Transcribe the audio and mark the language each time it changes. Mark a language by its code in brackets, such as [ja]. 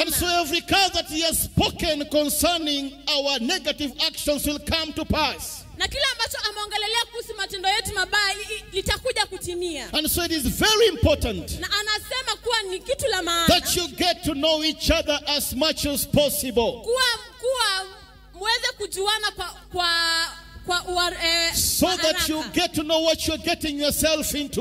[en] And so every curse that he has spoken concerning our negative actions will come to pass. [sw] Na kila ambacho ameongelea kuhusu matendo yetu mabaya litakuja kutimia. [en] And so it is very important. [sw] Na anasema kuwa ni kitu la maana. [en] That you get to know each other as much as possible. [sw] Kuwa muweze kujuana kwa [en] so that you get to know what you're getting yourself into.